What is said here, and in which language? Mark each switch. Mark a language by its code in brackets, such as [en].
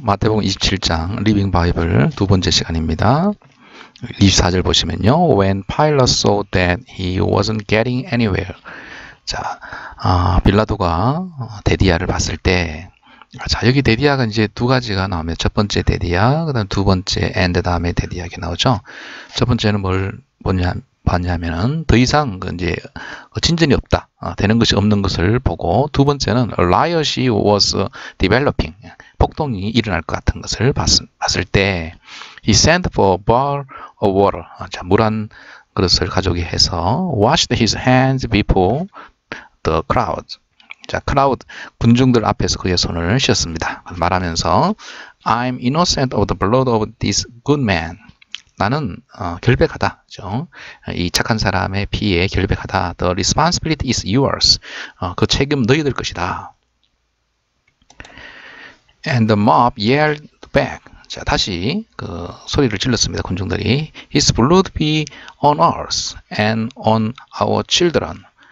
[ko] 마태복음 27장 리빙 바이블 두 번째 시간입니다. 24절 보시면요. [en] When Pilate saw that he wasn't getting anywhere. [ko] 빌라도가 데디아를 봤을 때, 여기 데디아가 이제 두 가지가 나오면 첫 번째 데디아, 그다음 두 번째 and 다음에 데디아 이렇게 나오죠. 첫 번째는 봤냐면은 더 이상 이제 진전이 없다. 되는 것이 없는 것을 보고 두 번째는 riot이 [en] was developing. [ko] 폭동이 일어날 것 같은 것을 봤을 때, [en] he sent for a bowl of water. [ko] 물한 그릇을 가져오게 해서, [en] washed his hands before the crowd. [ko] 군중들 앞에서 그의 손을 씻습니다. 말하면서, [en] I'm innocent of the blood of this good man. [ko] 나는 결백하다. 그렇죠? 이 착한 사람의 피에 결백하다. [en] The responsibility is yours. [ko] 그 책임 너희들 것이다. [en] And the mob yelled back. [ko] 다시 소리를 질렀습니다. 군중들이 [en] His blood be on us and on our children.